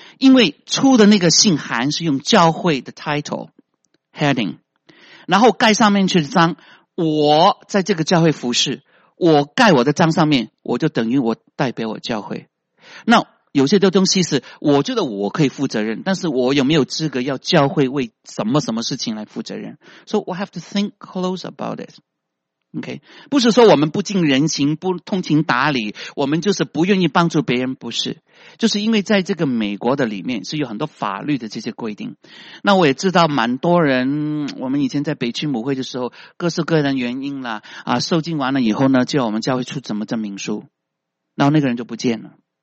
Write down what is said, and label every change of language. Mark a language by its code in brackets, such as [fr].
[zh] 因为出的那个信函是用教会的 title heading, 然后盖上面去的章，我在这个教会服侍，我盖我的章上面，我就等于我代表我教会。那有些的东西是我觉得我可以负责任，但是我有没有资格要教会为什么什么事情来负责任。 [en] So we have to think close about it. [zh] OK, 不是说我们不近人情不通情达理，我们就是不愿意帮助别人，不是。就是因为在这个美国的里面是有很多法律的这些规定。那我也知道蛮多人，我们以前在北区母会的时候各式各样的原因啦啊，受尽完了以后呢就要我们教会出什么证明书，然后那个人就不见了。